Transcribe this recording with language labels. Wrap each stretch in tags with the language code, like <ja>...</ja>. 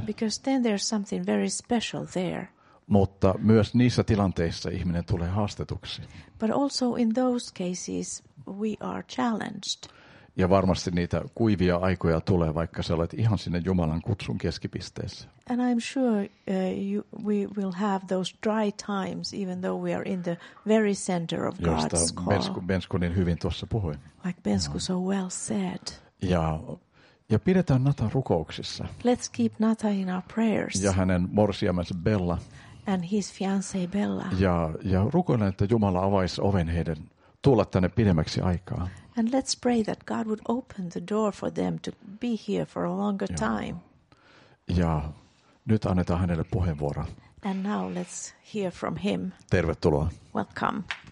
<en>Because then there's something very special there.</en> <fi>Mutta myös niissä tilanteissa ihminen tulee haastetuksi.</fi> <en>But also in those cases we are challenged.</en> <fi>Ja varmasti niitä kuivia aikoja tulee, vaikka sä olet ihan sinne Jumalan kutsun keskipisteessä.</fi> <en>And I'm sure we will have those dry times, even though we are in the very center of God's call.</en> <fi>Josta Bensku niin hyvin tuossa puhui.</fi> <en>Like Bensku so well said.</en> <fi>Ja pidetään Nata rukouksissa.</fi> <en>Let's keep Nata in our prayers.</en> <fi>Ja hänen morsiamensa Bella.</fi> <en>And his fiancée Bella.</en> <fi>Ja rukoilen, että Jumala avaisi oven heidän tulla tänne pidemmäksi aikaa.</fi> <en>And let's pray that God would open the door for them to be here for a longer time.</en> <fi>Ja nyt annetaan hänelle puheenvuoro.</fi> <en>And now let's hear from him.</en> <fi>Tervetuloa.</fi> <en>Welcome.</en>